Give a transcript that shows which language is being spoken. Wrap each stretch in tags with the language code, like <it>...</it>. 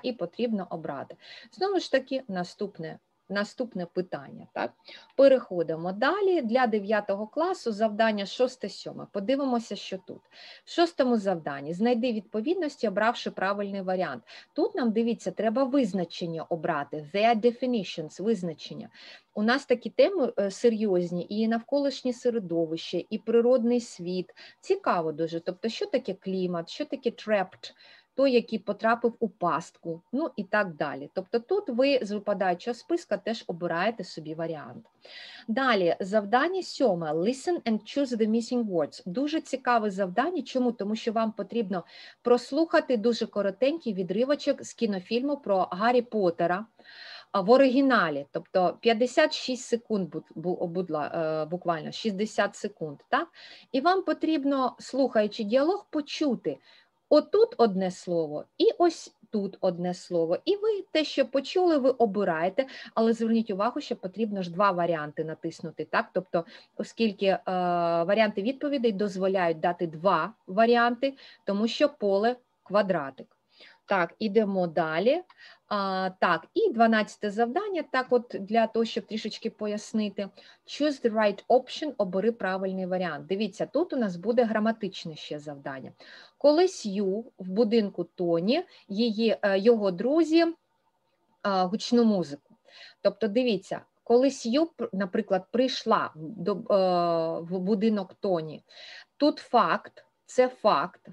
<uk>І потрібно обрати. Знову ж таки, наступне питання. Так? Переходимо далі. Для 9 класу завдання 6-7. Подивимося, що тут. В 6-му завданні. Знайди відповідності, обравши правильний варіант. Тут нам, дивіться, треба визначення обрати.</uk> <en>Their definitions – визначення.</en> <uk>У нас такі теми серйозні, і навколишнє середовище, і природний світ. Цікаво дуже. Тобто, що таке клімат, що таке trapped, той, який потрапив у пастку, ну і так далі. Тобто тут ви з випадаючого списка теж обираєте собі варіант. Далі, завдання 7.</uk> <en>Listen and choose the missing words.</en> <uk>Дуже цікаве завдання. Чому? Тому що вам потрібно прослухати дуже коротенький відривочок з кінофільму про Гаррі Поттера в оригіналі. Тобто 56 секунд, буквально 60 секунд. Так? І вам потрібно, слухаючи діалог, почути, отут одне слово, і ось тут одне слово. І ви те, що почули, ви обираєте, але зверніть увагу, що потрібно ж два варіанти натиснути, так? Тобто, оскільки варіанти відповідей дозволяють дати два варіанти, тому що поле – квадратик. Так, ідемо далі. Так, і 12-те завдання, так от для того, щоб трішечки пояснити.</uk> <en>Choose the right option –</en> <uk>обери правильний варіант. Дивіться, тут у нас буде граматичне ще завдання. Колись Ю в будинку Тоні, його друзі гучну музику. Тобто, дивіться, колись Ю, наприклад, прийшла в будинок Тоні. Тут факт. Це факт.</uk>